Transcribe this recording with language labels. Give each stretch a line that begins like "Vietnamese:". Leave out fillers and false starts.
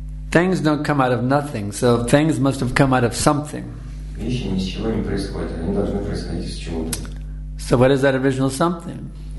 English: Things don't come out of nothing, so things must have come out of something.
Russian: Вещи ни с чего не происходят, они должны происходить из чего-то.
English: So what is that original something?